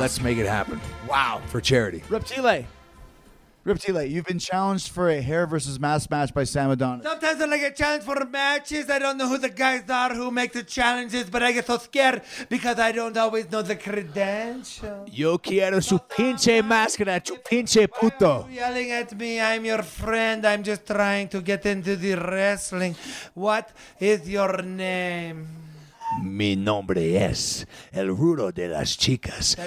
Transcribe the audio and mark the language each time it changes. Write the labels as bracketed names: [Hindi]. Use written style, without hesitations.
[English] Let's make it happen. Wow. For charity. Reptile, you've been challenged for a hair versus mask match by Sam Adonis. Sometimes when I get challenged for matches, I don't know who the guys are who make the challenges, but I get so scared because I don't always know the credentials. [Spanish] Yo quiero su pinche máscara, tu pinche puto. [English] Why are you yelling at me? I'm your friend. I'm just trying to get into the wrestling. What is your name? [Spanish] Mi nombre es el rudo de las chicas.